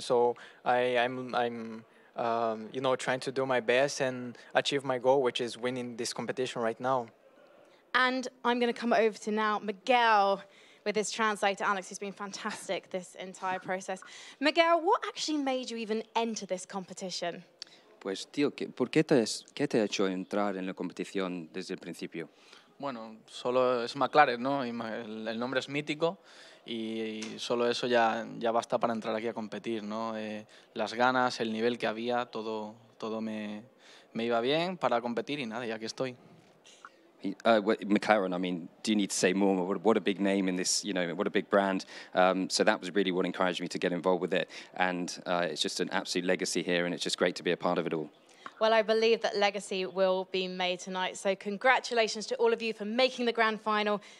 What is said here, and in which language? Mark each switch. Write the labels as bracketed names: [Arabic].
[English] So I'm trying to do my best and achieve my goal, which is winning this competition right now. And I'm going to come over to now Miguel, with his translator, Alex, who's been fantastic this entire process. Miguel, what actually made you even enter this competition? [Spanish] Pues, tío, ¿por qué te ha hecho entrar en la competición desde el principio? Bueno, solo es McLaren, ¿no? Y el nombre es mítico y solo eso ya basta para entrar aquí a competir, ¿no? Las ganas, el nivel que había, todo me, me iba bien para competir y nada, y aquí estoy. [English] McLaren, I mean, do you need to say more? What a big name in this, you know, what a big brand. So that was really what encouraged me to get involved with it. And it's just an absolute legacy here, and it's just great to be a part of it all. Well, I believe that legacy will be made tonight. So congratulations to all of you for making the grand final.